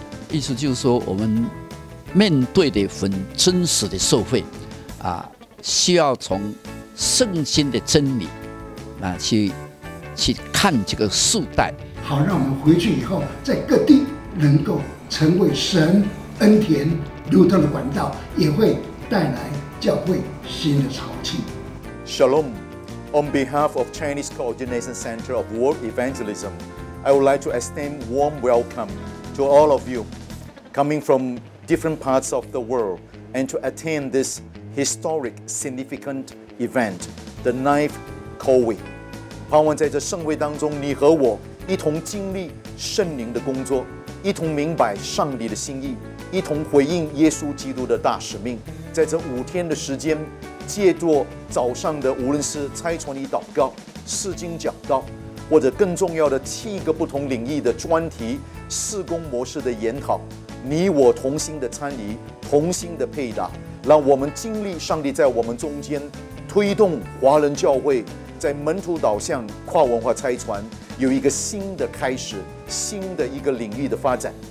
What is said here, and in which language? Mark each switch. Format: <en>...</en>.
<zh>意思就是说，我们面对的很真实的社会啊，需要从圣经的真理啊去看这个世代，好让我们回去以后在各地能够成为神恩典流动的管道，也会带来教会新的潮气。</zh> <he>Shalom.</he> <en>On behalf of Chinese Coordination Center of World Evangelism, I would like to extend warm welcome to all of you coming from different parts of the world and to attend this historic significant event, the 9th COVID.</en> <zh>盼望在这盛会当中，你和我一同经历圣灵的工作，一同明白上帝的心意，一同回应耶稣基督的大使命。在这5天的时间，借着早上的无论是拆传礼祷告、释经讲道，或者更重要的7个不同领域的专题事工模式的研讨，你我同心的参与，同心的配搭，让我们经历上帝在我们中间推动华人教会在门徒导向、跨文化拆传有一个新的开始，新的一个领域的发展。</zh>